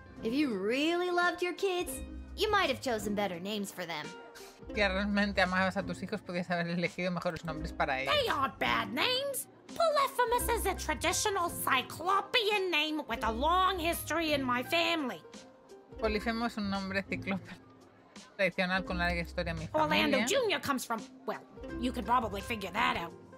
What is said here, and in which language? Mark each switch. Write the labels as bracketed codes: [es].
[en] If you really loved your kids, you might have chosen better names for them. [es] Si realmente amabas a tus hijos, podías haber elegido mejores nombres para ellos. [en] They aren't bad names. Polyphemus is a traditional cyclopean name with a long history in my family. [es] Polyphemo es un nombre ciclope tradicional con larga historia en mi familia. [en] Orlando Jr. comes from, well, you could probably figure that out.